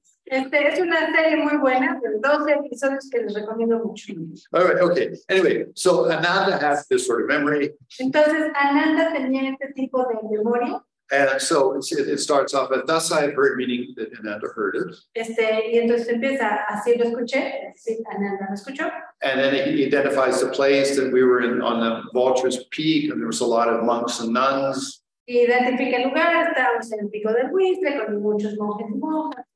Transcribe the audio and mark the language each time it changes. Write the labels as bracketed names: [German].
[Spanish] Es una serie muy buena, 12 episodios que les recomiendo mucho. [English] All right, okay. Anyway, so Ananda has this sort of memory. [Spanish] Entonces Ananda tenía este tipo de memoria. [English] And so it starts off at thus I have heard, meaning that Ananda heard it. [Spanish] Y entonces empieza, así lo escuché, así Ananda lo escuchó. [English] And then he identifies the place that we were in on the Vulture's Peak, and there was a lot of monks and nuns. [Spanish] Identifica el lugar, estábamos en el pico del Buitre con muchos monjes y monjas.